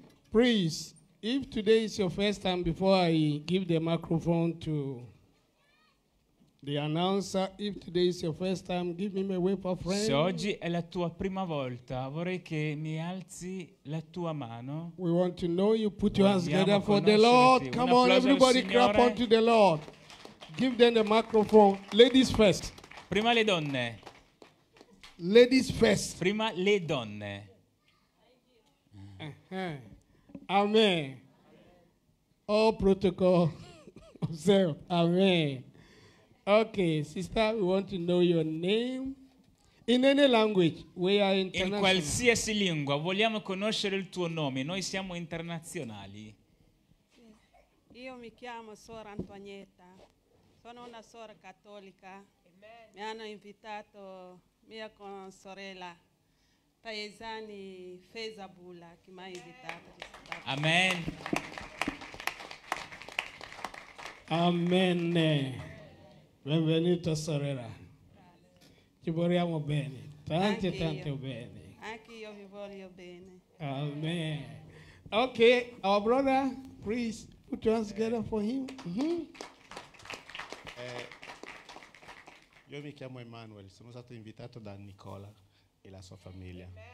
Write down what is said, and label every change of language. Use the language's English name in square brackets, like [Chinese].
[English] Please, if today is your first time, before I give the microphone to the announcer, if today is your first time, give me my wave of friends. [Italian] Se oggi è la tua prima volta, vorrei che mi alzi la tua mano. [English] We want to know you. Put your hands together for the Lord. Come on, everybody, clap unto the Lord. Give them the microphone. Ladies first. [Italian] Prima le donne. [English] Ladies first. [Italian] Prima le donne. [English] Amen. All protocol observed. Amen. Okay, sister, we want to know your name. In any language, we are international. [Italian] In qualsiasi lingua, vogliamo conoscere il tuo nome. Noi siamo internazionali. Io mi chiamo Sora Antonietta. Sono una sora cattolica. Mi hanno invitato... mia con sorella paesani Fezabula che mi ha invitato. Amen. Amen. Benvenuta sorella. Ci vogliamo bene. Tante, tante bene. Anche io vi voglio bene. Amen. [English] Okay, our brother, please put your hands together for him. Mm-hmm. [Italian] Io mi chiamo Emmanuel, sono stato invitato da Nicola e la sua famiglia.